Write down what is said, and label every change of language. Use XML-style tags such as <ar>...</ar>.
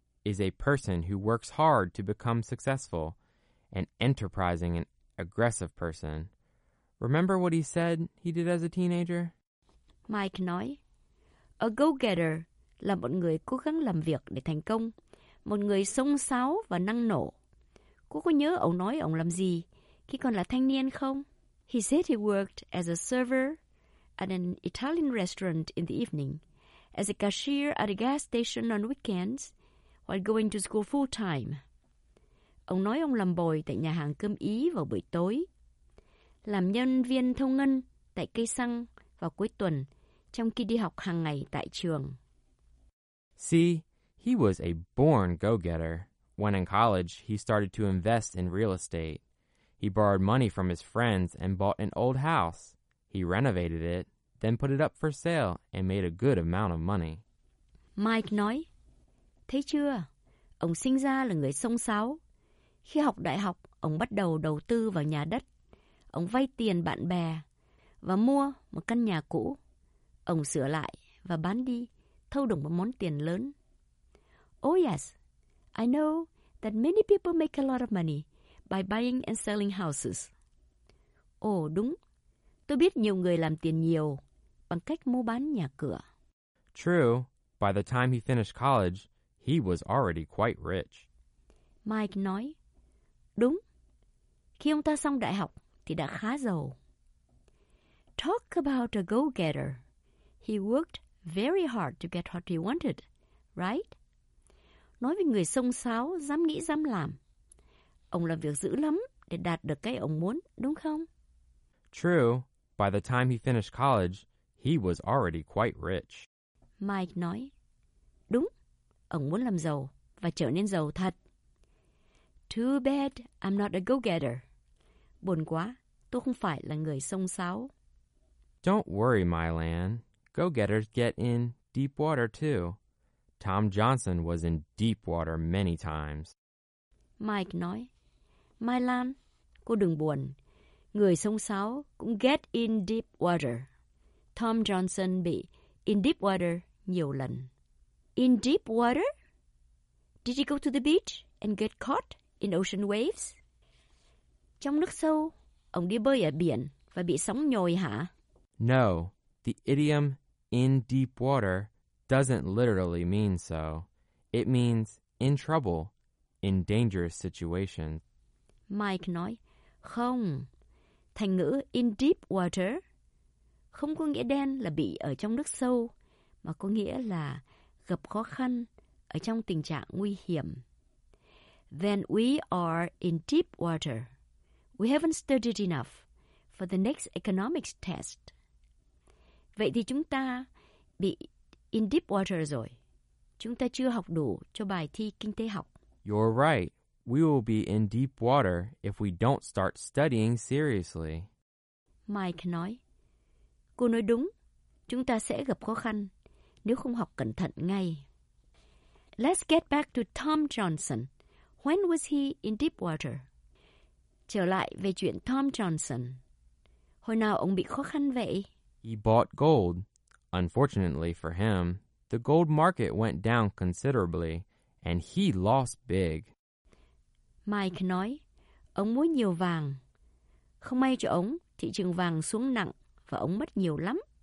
<en>Is a person who works hard to become successful, an enterprising and aggressive person. Remember what he said he did as a teenager?</en> <vi>Mike nói, a go-getter là một người cố gắng làm việc để thành công, một người xông xáo và năng nổ. Cô có nhớ ông nói ông làm gì khi còn là thanh niên không?</vi> <en>He said he worked as a server at an Italian restaurant in the evening, as a cashier at a gas station on weekends, while going to school full time.</en> <vi>Ông nói ông làm bồi tại nhà hàng cơm Ý vào buổi tối, làm nhân viên thu ngân tại cây xăng vào cuối tuần trong khi đi học hàng ngày tại trường.</vi> <en>See, he was a born go-getter. When in college, he started to invest in real estate. He borrowed money from his friends and bought an old house. He renovated it, then put it up for sale and made a good amount of money.</en> <vi>Mike nói, thấy chưa? Ông sinh ra là người xông xáo. Khi học đại học, ông bắt đầu đầu tư vào nhà đất. Ông vay tiền bạn bè và mua một căn nhà cũ. Ông sửa lại và bán đi, thâu được một món tiền lớn.</vi> <en>Oh yes, I know that many people make a lot of money by buying and selling houses.</en> <vi>Oh, đúng. Tôi biết nhiều người làm tiền nhiều bằng cách mua bán nhà cửa.</vi> <en>True, by the time he finished college, he was already quite rich.</en> <vi>Mike nói, đúng, khi ông ta xong đại học thì đã khá giàu.</vi> <en>Talk about a go-getter. He worked very hard to get what he wanted, right?</en> <vi>Nói về người xông xáo, dám nghĩ, dám làm. Ông làm việc dữ lắm để đạt được cái ông muốn, đúng không?</vi> <en>True, by the time he finished college, he was already quite rich.</en> <vi>Mike nói, đúng. Ông muốn làm giàu và trở nên giàu thật.</vi> <en>Too bad I'm not a go-getter.</en> <vi>Buồn quá, tôi không phải là người xông xáo.</vi> <en>Don't worry, Mylan. Go-getters get in deep water too. Tom Johnson was in deep water many times.</en> <vi>Mike nói, Mai Lan, cô đừng buồn. Người sông sáo cũng get in deep water. Tom Johnson bị in deep water nhiều lần.</vi> <en>In deep water? Did he go to the beach and get caught in ocean waves?</en> <vi>Trong nước sâu, ông đi bơi ở biển và bị sóng nhồi hả?</vi> <en>No, the idiom in deep water doesn't literally mean so. It means in trouble, in dangerous situations.</en> <vi>Mike nói, không. Thành ngữ in deep water không có nghĩa đen là bị ở trong nước sâu, mà có nghĩa là gặp khó khăn, ở trong tình trạng nguy hiểm.</vi> <en>When we are in deep water, we haven't studied enough for the next economics test.</en> <vi>Vậy thì chúng ta bị in deep water rồi. Chúng ta chưa học đủ cho bài thi kinh tế học.</vi> <en>You're right. We will be in deep water if we don't start studying seriously.</en> <vi>Mike nói, cô nói đúng. Chúng ta sẽ gặp khó khăn nếu không học cẩn thận ngay.</vi> <en>Let's get back to Tom Johnson. When was he in deep water?</en> <vi>Trở lại về chuyện Tom Johnson. Hồi nào ông bị khó khăn vậy?</vi> <en>He bought gold. Unfortunately for him, the gold market went down considerably, and he lost big.</en> <vi>Mike nói, ông mua nhiều vàng. Không may cho ông, thị trường vàng xuống nặng và ông mất nhiều lắm.</vi>